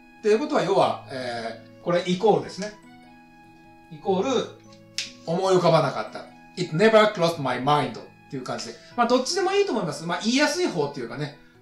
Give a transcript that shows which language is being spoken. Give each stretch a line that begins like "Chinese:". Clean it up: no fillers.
Japanese: っていうことは、要は、これイコールですね。イコール、思い浮かばなかった。
English: It never crossed my mind
Japanese: っていう感じで。
English: まあ、どっちでもいいと思います。まあ、言いやすい方っていうかね。